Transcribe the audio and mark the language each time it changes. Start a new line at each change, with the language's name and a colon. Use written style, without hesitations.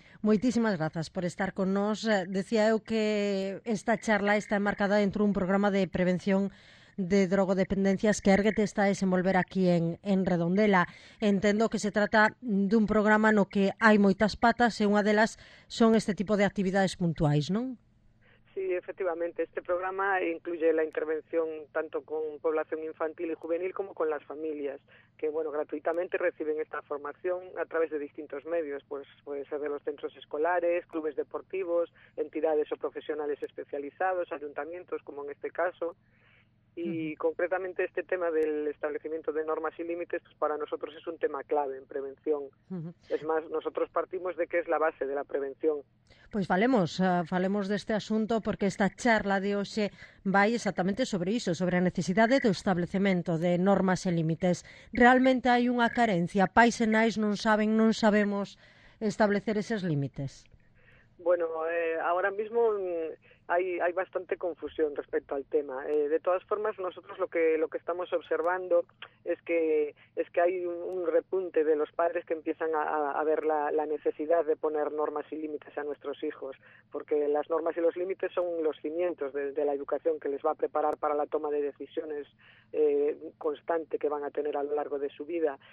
Galician: Moitísimas grazas por estar con nós. Decía eu que esta charla está enmarcada dentro dun programa de prevención de drogodependencias que Érguete está a desenvolver aquí en Redondela. Entendo que se trata dun programa no que hai moitas patas e unha delas son este tipo de actividades puntuais, non?
Spanish: Sí, efectivamente. Este programa incluye la intervención tanto con población infantil y juvenil como con las familias, que bueno, gratuitamente reciben esta formación a través de distintos medios, pues puede ser de los centros escolares, clubes deportivos, entidades o profesionales especializados, ayuntamientos, como en este caso. Y concretamente este tema del establecimiento de normas y límites, pues para nosotros es un tema clave en prevención. Es más, nosotros partimos de que es la base de la prevención.
Galician: Pois falemos deste asunto, porque esta charla de hoxe vai exactamente sobre iso, sobre a necesidade do establecemento de normas e límites. Realmente hai unha carencia, pais e nais non saben, non sabemos establecer eses límites.
Spanish: Bueno, ahora mismo hai bastante confusión respecto al tema. De todas formas, nosotros lo que estamos observando es que hay un repunte de los padres que empiezan a ver la necesidad de poner normas y límites a nuestros hijos, porque las normas y los límites son los cimientos de la educación que les va a preparar para la toma de decisiones constante que van a tener a lo largo de su vida.